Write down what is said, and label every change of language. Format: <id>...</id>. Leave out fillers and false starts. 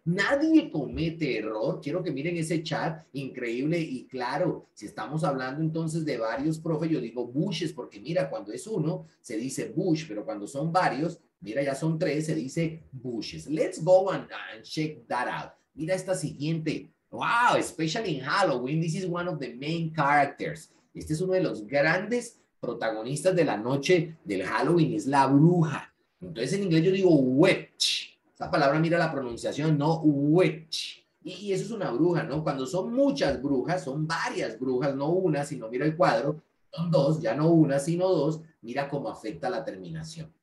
<es>Nadie comete error, quiero que miren ese chat, increíble. Y claro, si estamos hablando entonces de varios, profe, yo digo bushes, porque mira, cuando es uno, se dice bush, pero cuando son varios, mira, ya son tres, se dice bushes.</es> <en>Let's go and check that out.</en> <es>Mira esta siguiente.</es> <en>Wow, especially in Halloween, this is one of the main characters.</en> <es>Este es uno de los grandes protagonistas de la noche del Halloween, es la bruja. Entonces en inglés yo digo witch. Esa palabra, mira la pronunciación, no witch. Y eso es una bruja, ¿no? Cuando son muchas brujas, son varias brujas, no una, sino mira el cuadro, son dos, ya no una, sino dos, mira cómo afecta la terminación.</es>